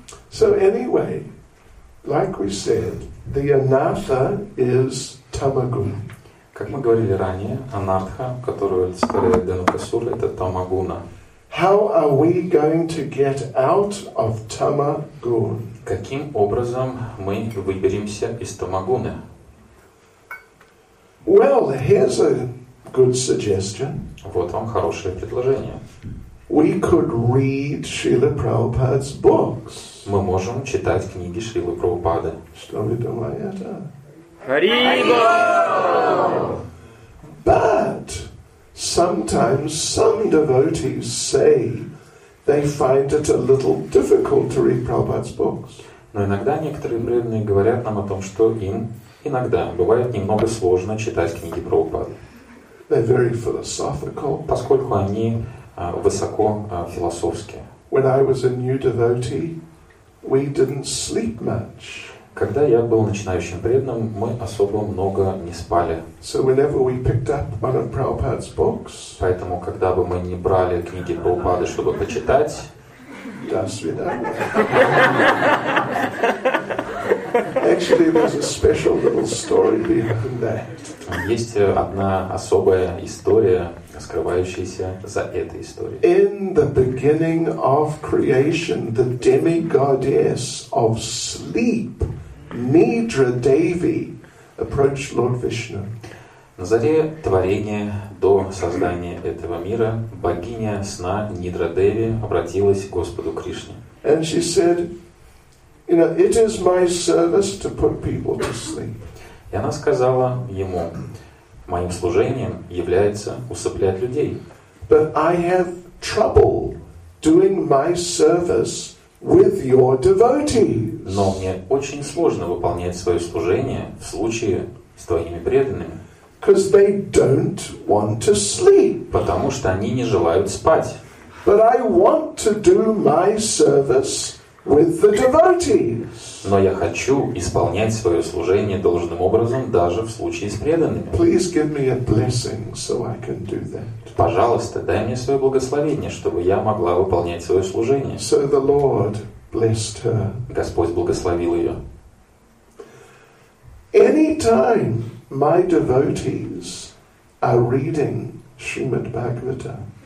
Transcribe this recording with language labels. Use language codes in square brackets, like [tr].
[en] So anyway, like we said, the anatha is tamaguna. [ru] Как мы говорили ранее, анатха, которую представляет Денукасура, это тамагуна. [en] How are we going to get out of tamagun? [ru] Каким образом мы выберемся из тамагуны? [en] Well, here's a good suggestion. [ru] Вот вам хорошее предложение. [en] We could read Srila Prabhupada's books. [ru] Мы можем читать книги Шрилы Прабхупады. Что вы думаете? Харибо! [en] But sometimes some devotees say they find it a little difficult to read Prabhupada's books. [ru] Но иногда некоторые преданные говорят нам о том, что им иногда бывает немного сложно читать книги Прабхупады. [en] They're very philosophical. [ru] Поскольку они высоко философские. [en] When I was a new devotee, we didn't sleep much. [ru] Когда я был начинающим преданным, мы особо много не спали. [en] So whenever we picked up one of Prabhupada's books, [ru] поэтому, когда бы мы не брали книги Прабхупады, чтобы почитать, до свидания. [en] Actually, there's a special little story behind that. [ru] Есть одна особая история, скрывающаяся за этой историей. [en] In the beginning of creation, the demigoddess of sleep, Nidra Devi, approached Lord Vishnu. [ru] На заре творения, до создания этого мира, богиня сна Нидра Деви обратилась к Господу Кришне. [en] And she said, you know, it is my service to put people to sleep. [ru] И она сказала ему: моим служением является усыплять людей. [en] But I have trouble doing my service with your devotees. [ru] Но мне очень сложно выполнять свое служение в случае с твоими преданными. [en] Because they don't want to sleep. [ru] Потому что они не желают спать. [en] But I want to do my service with the devotees. [ru] Но я хочу исполнять свое служение должным образом даже в случае с преданными. [en] Please give me a blessing so I can do that. [ru] Пожалуйста, дай мне свое благословение, чтобы я могла выполнять свое служение. [en] So the Lord blessed her. [ru] Господь благословил ее. [en] Anytime my devotees are reading Srimad Bhagavatam.